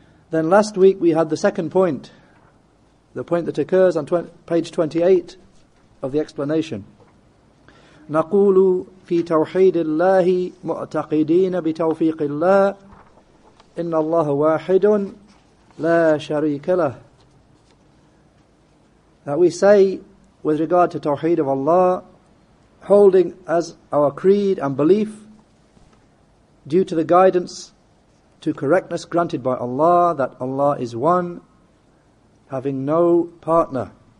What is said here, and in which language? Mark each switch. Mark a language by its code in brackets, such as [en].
[en] Then last week we had the second point, the point that occurs on page 28 of the explanation. [ar] نَقُولُ فِي تَوْحِيدِ اللَّهِ مُؤْتَقِدِينَ بِتَوْفِيقِ اللَّهِ إِنَّ اللَّهَ وَاحِدٌ La sharika lah. [en] That we say with regard to Tawheed of Allah, holding as our creed and belief, due to the guidance to correctness granted by Allah, that Allah is one, having no partner.